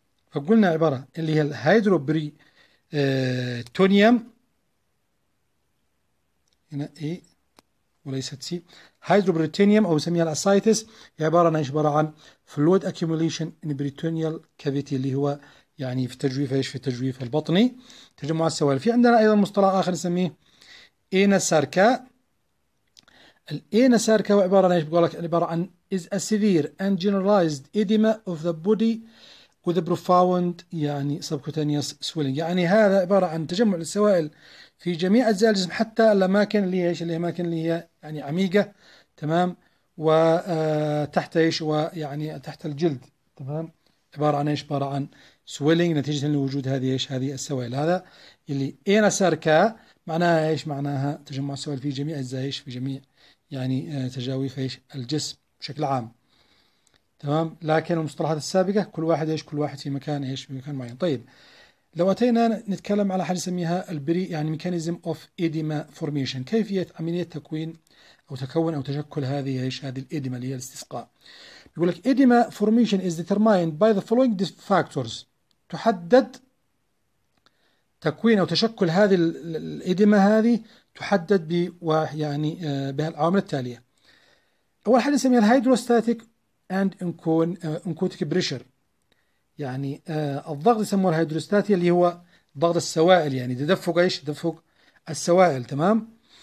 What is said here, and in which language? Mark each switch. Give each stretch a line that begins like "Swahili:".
Arabic: فقلنا عبارة اللي هي الهيدروبري تونيوم، هنا إيه وليست سي، هيدروبريتونيوم أو يسميها الأسايتس، هي عبارة عن إيش؟ عبارة عن
English: fluid accumulation in peritoneal cavity,
Arabic: اللي هو يعني في التجويف، ايش في التجويف البطني، تجمع السوائل. في عندنا ايضا مصطلح اخر نسميه اينا ساركا. الاينا ساركا هو عباره عن
English: ايش؟ بقول لك عباره عن is a severe and generalized edema of the body with a profound
Arabic: يعني
English: subcutaneous swelling.
Arabic: يعني هذا عباره عن تجمع للسوائل في جميع اجزاء الجسم، حتى الاماكن اللي هي ايش؟ اللي هي اماكن اللي هي يعني عميقه، تمام، وتحت ايش؟ ويعني تحت الجلد، تمام. عبارة عن ايش؟ عبارة عن سويلينج نتيجة لوجود هذه ايش؟ هذه السوائل. هذا اللي اينا ساركا معناها ايش؟ معناها تجمع السوائل في جميع اجزاء ايش؟ في جميع يعني تجاويف ايش؟ الجسم بشكل عام، تمام. لكن المصطلحات السابقة كل واحد ايش؟ كل واحد في مكان ايش؟ في مكان معين. طيب لو اتينا نتكلم على حاجة نسميها البري، يعني
English: mechanism of oedema formation,
Arabic: كيفية عملية تكوين او تكون او تشكل هذه ايش؟ هذه الايديما اللي هي الاستسقاء. يقول لك
English: edema formation is determined by the following factors.
Arabic: تحدد تكوين او تشكل هذه الايديما، هذه تحدد ب يعني بالعوامل التاليه. اول حاجه نسميها الهيدروستاتيك اند انكوتيك بريشر، يعني الضغط يسموه الهيدروستاتيك اللي هو ضغط السوائل، يعني تدفق ايش؟ تدفق السوائل، تمام.